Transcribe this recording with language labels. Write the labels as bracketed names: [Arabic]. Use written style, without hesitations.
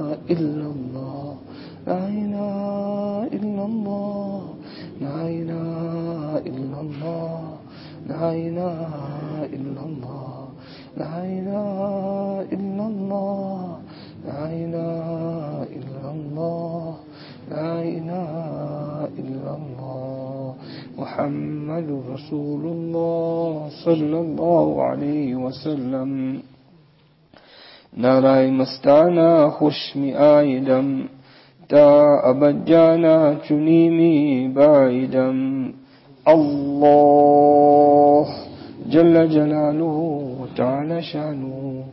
[Arabic] الا اللہ, لا الہ الا اللہ, لا الہ الا اللہ, لا الہ الا اللہ, لا الہ الا اللہ, لا الہ الا اللہ, لا الہ الا اللہ, محمد رسول اللہ صلی اللہ علیہ وسلم. [Persian] نعرہ مستانا خوش می آئیدم, تا ابد جانا چنی می بائیدم. [Arabic] اللہ جل جلالہ تعالی شانہ.